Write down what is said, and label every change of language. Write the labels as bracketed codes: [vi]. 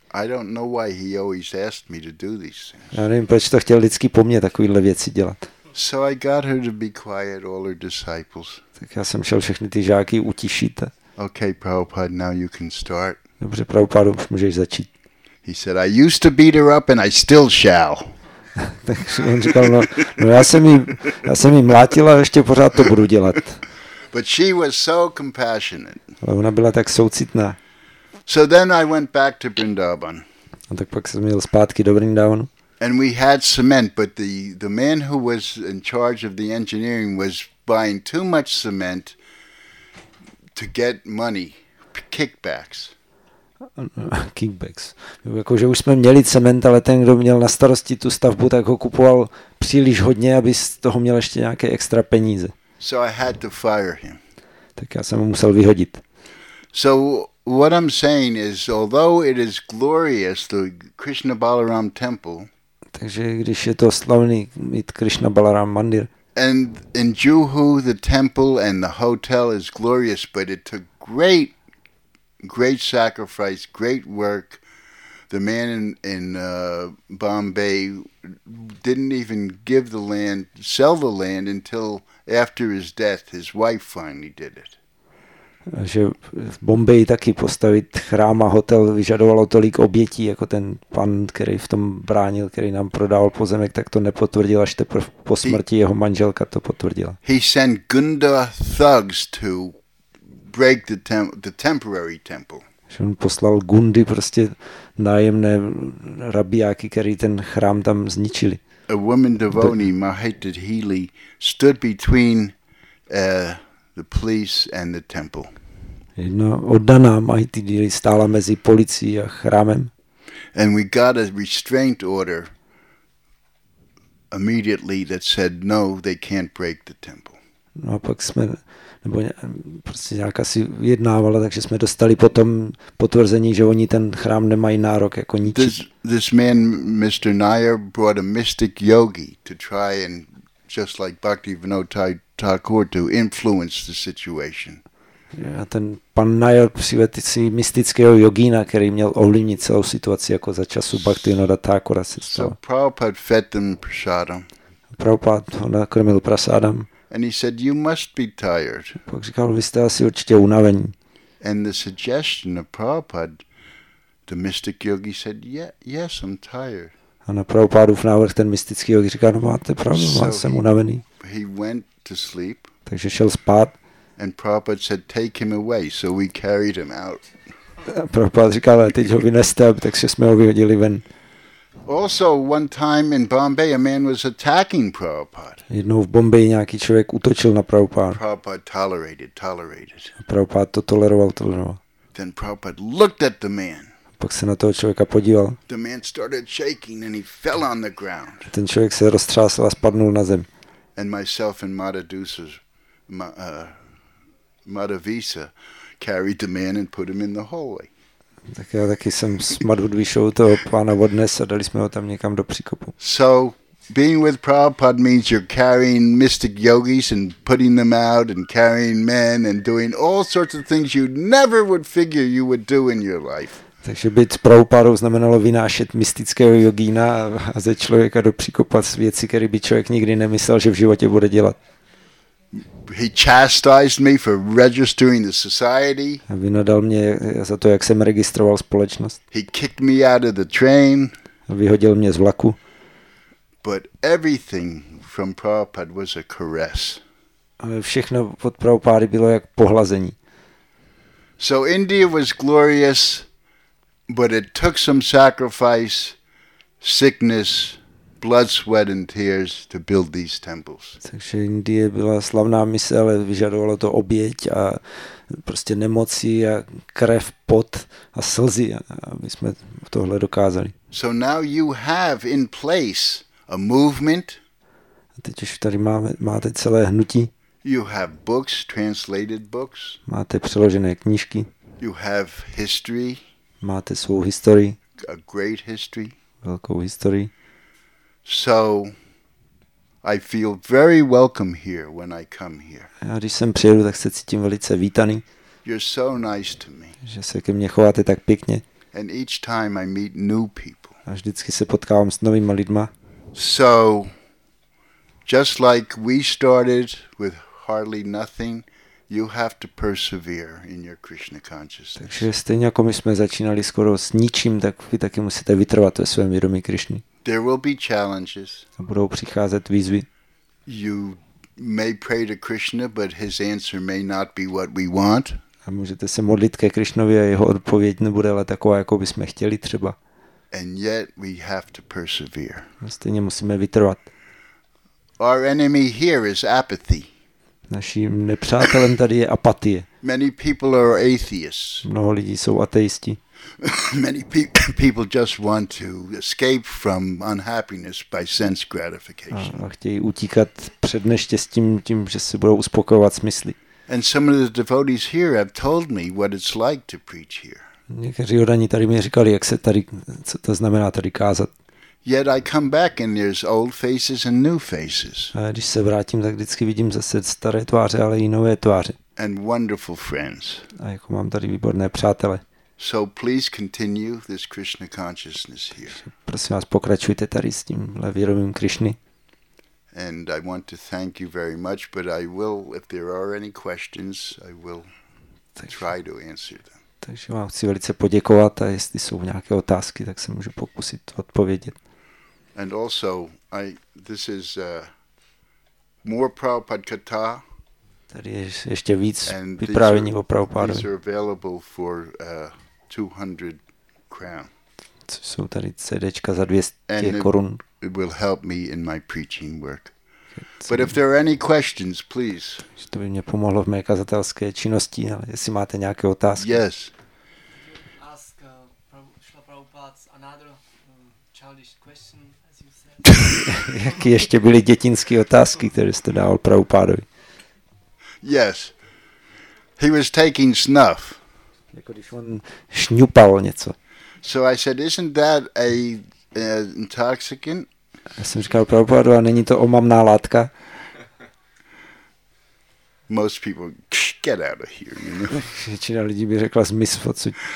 [en] I don't know why he always asked me to do these things. [cs] Já nevím, proč to chtěl lidský po mně takovýhle věci dělat. [en] So I got her to be quiet, all her disciples. [cs] Tak já jsem šel všechny ty žáky utišit. [en] Okay, Prabhupada, now you can start. [cs] Dobře, Prabhupada, už můžeš začít. [en] He said, I used to beat her up and I still shall. [cs] Takže on říkal, no já jsem jí mlátil a ještě pořád to budu dělat. [en] But she was so compassionate. [cs] Ale ona byla tak soucitná. [en] So then I went back to Vrindavan. [cs] A tak pak jsem jel zpátky do Vrindavanu. [en] And we had cement, but the man who was in charge of the engineering was buying too much cement to get money, kickbacks. Kickbacks. [cs] Jakože už jsme měli cement, ale ten, kdo měl na starosti tu stavbu, tak ho kupoval příliš hodně, aby z toho měl ještě nějaké extra peníze. [en] So I had to fire him. [cs] Tak já jsem ho musel vyhodit. [en] So what I'm saying is, although it is glorious, the Krishna Balaram temple. [cs] Takže když je to slavný mít Krishna Balaram mandir. [en] And in Juhu, the temple and the hotel is glorious, but it took great sacrifice, great work. The man in Bombay didn't even give the land, sell the land until after his death. His wife finally did it. [cs] Že v Bombaji taky postavit chrám a hotel vyžadovalo tolik obětí, jako ten pan, který v tom bránil, který nám prodával pozemek, tak to nepotvrdil, až teprve po smrti jeho manželka to potvrdila. [en] He sent Gunda thugs to break the temporary temple. [cs] Že on poslal gundy, prostě nájemné rabijáky, který ten chrám tam zničili. [en] A woman devotee, Mahated Healy, stood between the police and the temple. [cs] Jedna oddaná Mahated Healy stála mezi policií a chrámem. [en] And we got a restraint order immediately that said, no, they can't break the temple. [cs] No a pak jsme... Nebo prostě nějak asi vyjednávala, takže jsme dostali potom potvrzení, že oni ten chrám nemají nárok jako ničit. [en] This man, Mr. Nair, brought a mystic yogi to try and, just like Bhaktivinoda Thakur, to influence the situation. [cs] A ten pan Nair přivedl si mystického jogína, který měl ovlivnit celou situaci jako za času Bhaktivinoda Thakura se stalo. [en] So Prabhupada fed them prasadam. [cs] Prabhupada ho nakrmil prasadam. [en] And he said, "You must be tired." [cs] Pak říkal, vy jste asi určitě unavení. [en] And the suggestion of Prabhupada, the mystic yogi said, "Yes, I'm tired." [cs] A na Prabhupádův návrh ten mystický yogi říkal, no máte pravdu, já jsem unavený. [en] He went to sleep. [cs] Takže šel spát. [en] And Prabhupada said, "Take him away." So we carried him out. [cs] Prabhupád říkal, teď ho vyneste, takže jsme ho vyhodili ven. [en] Also, one time in Bombay, a man was attacking Prabhupada. [cs] Jednou v Bombaji nějaký člověk útočil na Prabhupada. [en] Prabhupada tolerated. [cs] Prabhupada to toleroval. [en] Then Prabhupada looked at the man. [cs] Pak se na toho člověka podíval. [en] The man started shaking and he fell on the ground. [cs] Ten člověk se roztřásl a spadnul na zem. [en] and myself and Madhavisa carried the man and put him in the hallway. [cs] Tak já taky jsem s Madhavisou toho pána odnes a dali jsme ho tam někam do příkopu. [en] So being with Prabhupada means you're carrying mystic yogis and putting them out and carrying men and doing all sorts of things you never would figure you would do in your life. [cs] Takže být s Prabhupadou znamenalo vynášet mystického jogína a ze člověka do příkopa s věci, které by člověk nikdy nemyslel, že v životě bude dělat. [en] He chastised me for registering the society. [cs] A vynadal mě za to, jak jsem registroval společnost. [en] He kicked me out of the train. [cs] A vyhodil mě z vlaku. [en] But everything from Prabhupada was a caress. [cs] Ale všechno od Prabhupady bylo jak pohlazení. [en] So India was glorious, but it took some sacrifice, sickness, blood, sweat and tears to build these temples. [cs] Takže Indie byla slavná mise, ale vyžadovalo to oběť a prostě nemoci a krev, pot a slzy, aby jsme tohle dokázali. [en] So now you have in place a movement. [cs] A teď už tady máte celé hnutí. [en] You have books, translated books. [cs] Máte přeložené knížky. [en] You have history. [cs] Máte svou historii. [en] A great history. [cs] Velkou historii. [en] So I feel very welcome here when I come here. [cs] Já když sem přijedu, tak se cítím velice vítaný. [en] You're so nice to me. [cs] Že se ke mně chováte tak pěkně. [en] And each time I meet new people. [cs] A vždycky se potkávám s novými lidmi. [en] So just like we started with hardly nothing, you have to persevere in your Krishna consciousness. [cs] Takže stejně jako my jsme začínali skoro s ničím, tak vy taky musíte vytrvat ve svém vědomí Krišny. [en] There will be challenges. [cs] A budou přicházet výzvy. [en] You may pray to Krishna, but his answer may not be what we want. [cs] A můžete se modlit ke Krišnovi a jeho odpověď nebude ale taková, jakou bychom chtěli třeba. [en] And yet we have to persevere. [cs] A stejně musíme vytrvat. [en] Our enemy here is apathy. [cs] Naším nepřátelem tady je apatie. [en] Many people are atheists. [cs] Mnoho lidí jsou ateisti. [en] Many people just want to escape from unhappiness by sense gratification. [cs] A chtějí utíkat před neštěstím tím, že se budou uspokojovat smysly. [en] And some of the devotees here have told me what it's like to preach here. [cs] Někteří odaní tady mi říkali, jak se tady, co to znamená tady kázat. [en] Yet I come back and there's old faces and new faces. [cs] A když se vrátím, tak vždycky vidím zase staré tváře, ale i nové tváře. [en] And wonderful friends. [cs] A jako mám tady výborné přátele. [en] So please continue this Krishna consciousness here. [cs] Prosím vás, pokračujte tady s tím vědomím Krišny. [en] And I want to thank you very much, but I will, if there are any questions, I will try to answer them. [cs] Takže vám chci velice poděkovat a jestli jsou nějaké otázky, tak se můžu pokusit odpovědět. [en] And also, this is more Prabhupada katha. [cs] Tady je ještě víc vyprávění o Prabhupádovi. [en] These are available for 200 crown. [cs] Co jsou tady CDčka za 200 korun. [en] It will help me in my preaching work. But if there are any questions, please. [cs] To by mě pomohlo v mé kazatelské činnosti, ale jestli máte nějaké otázky. [en] Yes. Ask Srila Prabhupada another childish question, as you said. [cs] Jaké ještě byly dětinské otázky, které jste dával Prabhupádovi? [en] Yes. He was taking snuff. [cs] Jako když on šňupal něco. [en] So I said, isn't that an intoxicant? [cs] Já jsem říkal Prabhupádu, a není to omamná látka? [en] Most people get out of here, you know. [cs] Většina lidí by řekla zmysl odsud.